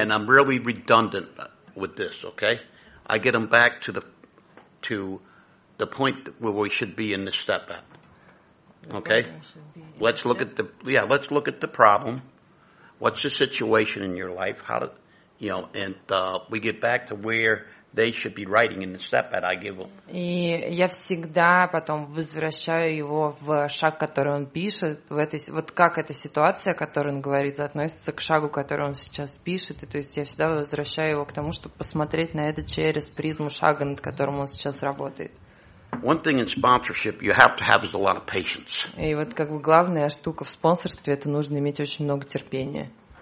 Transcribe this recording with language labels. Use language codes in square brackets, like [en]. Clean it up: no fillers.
[en] And I'm really redundant with this, okay? I get them back to the point where we should be in the step at. Okay? Let's look at the problem. What's the situation in your life? We get back to where they should be writing in the step that I give them. [ru] И я всегда потом возвращаю его в шаг, который он пишет, в этой вот как эта ситуация, о которой он говорит, относится к шагу, который он сейчас пишет. И то есть я всегда возвращаю его к тому, чтобы посмотреть на это через призму шага, над которым он сейчас работает. [en] One thing in sponsorship you have to have is a lot of patience. [ru] И вот как бы главная штука в спонсорстве — это нужно иметь очень много терпения.